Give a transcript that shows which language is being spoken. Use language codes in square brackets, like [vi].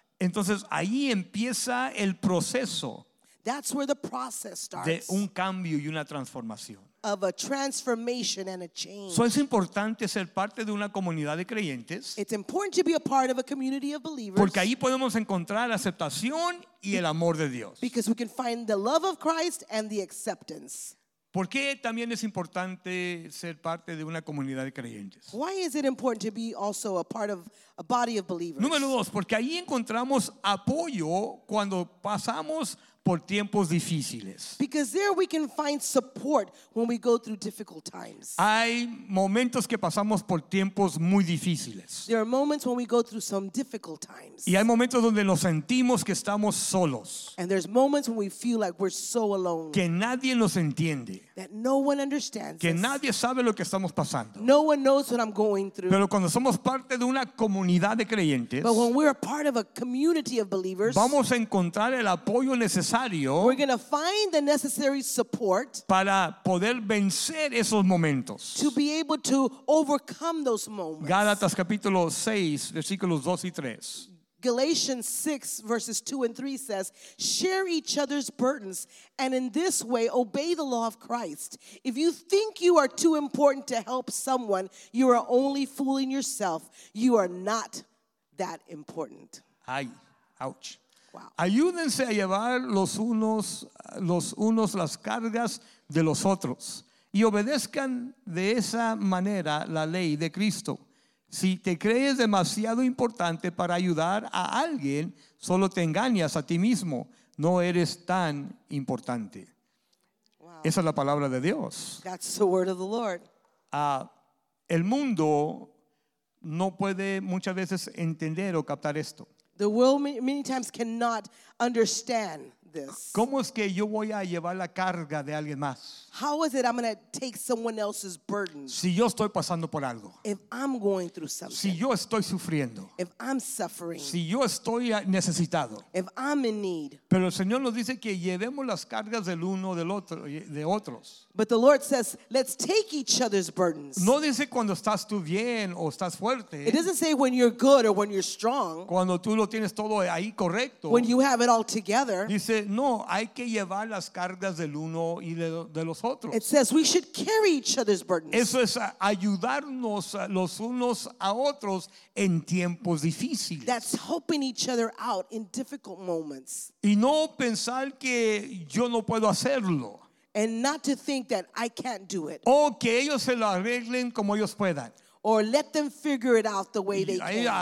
[es] entonces ahí empieza el proceso. [en] That's where the process starts. [es] De un cambio y una transformación. [en] Of a transformation and a change. [es] So es importante ser parte de una comunidad de creyentes. [en] It's important to be a part of a community of believers. [es] Porque ahí podemos encontrar aceptación y el amor de Dios. [en] Because we can find the love of Christ and the acceptance. [es] ¿Por qué también es importante ser parte de una comunidad de creyentes? [en] Why is it important to be also a part of a body of believers? [es] Número dos, porque ahí encontramos apoyo cuando pasamos por tiempos difíciles. [en] Because there we can find support when we go through difficult times. [es] Hay momentos que pasamos por tiempos muy difíciles. [en] There are moments when we go through some difficult times. [es] Y hay momentos donde nos sentimos que estamos solos. [en] And there's moments when we feel like we're so alone. [es] Que nadie nos entiende. [en] That no one understands. [es] Que nadie sabe lo que estamos pasando. [en] No one knows what I'm going through. [es] Pero cuando somos parte de una comunidad de creyentes, [en] but when we're a part of a community of believers, [es] vamos a encontrar el apoyo necesario, [en] we're going to find the necessary support, [es] para poder vencer esos momentos, [en] to be able to overcome those moments. [es] Gálatas capítulo 6 versículos 2 y 3. [en] Galatians 6, verses 2 and 3 says, share each other's burdens, and in this way, obey the law of Christ. If you think you are too important to help someone, you are only fooling yourself. You are not that important. Ay, ouch. Wow. [es] Ayúdense a llevar los unos las cargas de los otros, y obedezcan de esa manera la ley de Cristo. Si te crees demasiado importante para ayudar a alguien, solo te engañas a ti mismo. No eres tan importante. Wow. Esa es la palabra de Dios. [en] That's the word of the Lord. [es] El mundo no puede muchas veces entender o captar esto. [en] The world many times cannot understand this. [es] ¿Cómo es que yo voy a llevar la carga de alguien más? [en] How is it I'm going to take someone else's burden? [es] Si yo estoy pasando por algo. [en] If I'm going through something. [es] Si yo estoy sufriendo. [en] If I'm suffering. [es] Si yo estoy necesitado. [en] If I'm in need. [es] Pero el Señor nos dice que llevemos las cargas del uno del otro de otros. [en] But the Lord says, let's take each other's burdens. [es] No dice cuando estás tú bien o estás fuerte. [en] It doesn't say when you're good or when you're strong. [es] Cuando tú lo tienes todo ahí correcto. [en] When you have it all together. [es] Dice, no, hay que llevar las cargas del uno y de los otros. [en] It says we should carry each other's burdens. [es] Eso es ayudarnos los unos a otros en tiempos difíciles. [en] That's helping each other out in difficult moments. [es] Y no pensar que yo no puedo hacerlo. [en] And not to think that I can't do it. [es] O que ellos se lo arreglen como ellos puedan. [en] Or let them figure it out the way they can.